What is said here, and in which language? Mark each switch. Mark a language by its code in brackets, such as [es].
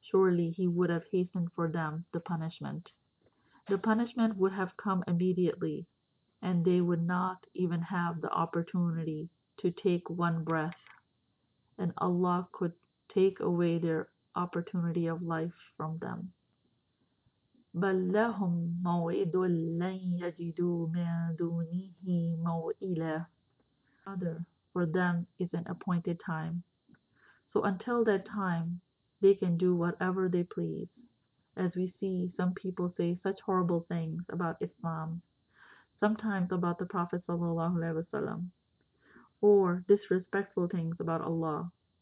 [en] Surely he would have hastened for them the punishment. The punishment would have come immediately, and they would not even have the opportunity to take one breath. And Allah could take away their opportunity of life from them. [ar] بل لهم موعد لن يجدوا من دونه موئلا. [en] Other for them is an appointed time. So until that time, they can do whatever they please. As we see, some people say such horrible things about Islam, sometimes about the Prophet sallallahu alaihi wasallam, or disrespectful things about Allah.